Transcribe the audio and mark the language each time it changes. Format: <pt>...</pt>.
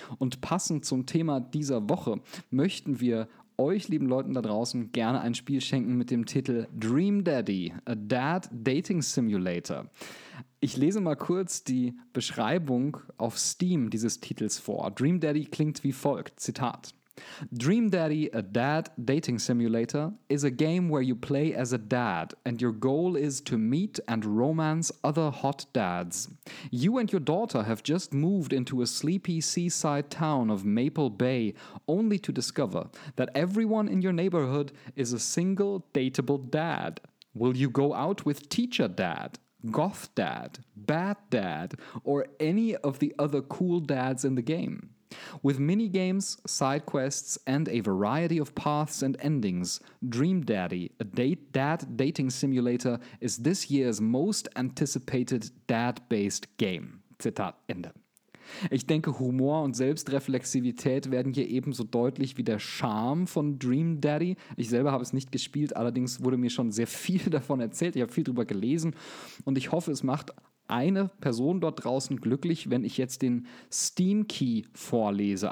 <de>Und passend zum Thema dieser Woche möchten wir euch lieben Leuten da draußen gerne ein Spiel schenken mit dem Titel Dream Daddy, a Dad Dating Simulator. Ich lese mal kurz die Beschreibung auf Steam dieses Titels vor. Dream Daddy klingt wie folgt, Zitat.</de> <en>Dream Daddy, a Dad Dating Simulator, is a game where you play as a dad and your goal is to meet and romance other hot dads. You and your daughter have just moved into a sleepy seaside town of Maple Bay, only to discover that everyone in your neighborhood is a single dateable dad. Will you go out with teacher dad, goth dad, bad dad, or any of the other cool dads in the game? With mini-games, side quests, and a variety of paths and endings, Dream Daddy, a dad dating simulator, is this year's most anticipated dad-based game.</en> <de>Zitat Ende. Ich denke, Humor und Selbstreflexivität werden hier ebenso deutlich wie der Charme von Dream Daddy. Ich selber habe es nicht gespielt, allerdings wurde mir schon sehr viel davon erzählt. Ich habe viel darüber gelesen und ich hoffe, es macht eine Person dort draußen glücklich, wenn ich jetzt den Steam-Key vorlese.</de>